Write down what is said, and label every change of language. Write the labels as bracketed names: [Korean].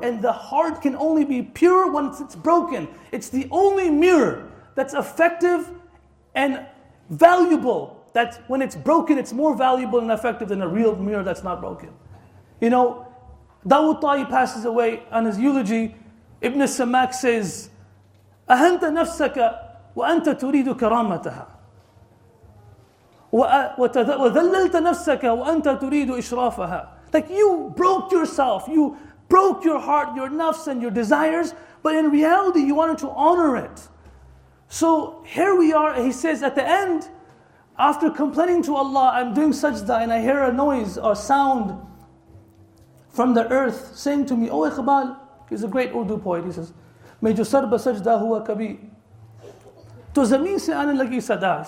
[English] And the heart can only be pure once it's broken. It's the only mirror that's effective and valuable, that when it's broken, it's more valuable and effective than a real mirror that's not broken. You know, Dawud Ta'i passes away on his eulogy. Ibn Samak says, [Arabic] أَهَنْتَ نَفْسَكَ وَأَنْتَ تُرِيدُ كَرَامَتَهَا وَذَلَّلْتَ نَفْسَكَ وَأَنْتَ تُرِيدُ إِشْرَافَهَا. [English] Like, you broke yourself, you broke your heart, your nafs and your desires, but in reality you wanted to honor it. So here we are, he says at the end, after complaining to Allah, I'm doing sajda and I hear a noise or sound from the earth saying to me, oh Iqbal, he's a great Urdu poet, he says, [Urdu] may jo sar ba sajda hua kabhi, to zameen se aane lagi sada.